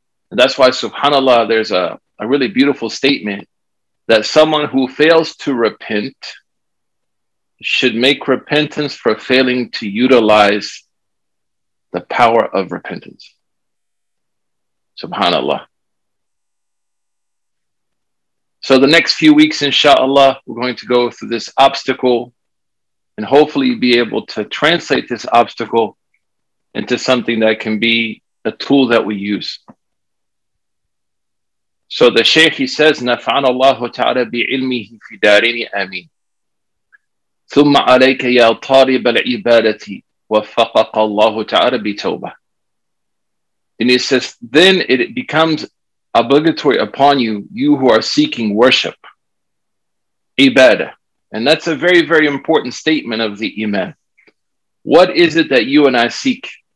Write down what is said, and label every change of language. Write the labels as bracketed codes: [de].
[en] And that's why, subhanAllah, there's a really beautiful statement that someone who fails to repent should make repentance for failing to utilize the power of repentance. SubhanAllah. So the next few weeks, inshallah, we're going to go through this obstacle and hopefully be able to translate this obstacle into something that can be a tool that we use. So the Shaykh, he says, [ar] نَفْعَنَ اللَّهُ تَعَالَى بِعِلْمِهِ فِي دَارِينِ أَمِينَ ثُمَّ عَلَيْكَ يَا طَالِبَ الْعِبَادَةِ وَفَقَقَ اللَّهُ تَعَالَى بِتَوْبَةِ. [en] And he says, then it becomes obligatory upon you, you who are seeking worship, ibadah. And that's a very, very important statement of the Imam. What is it that you and I seek?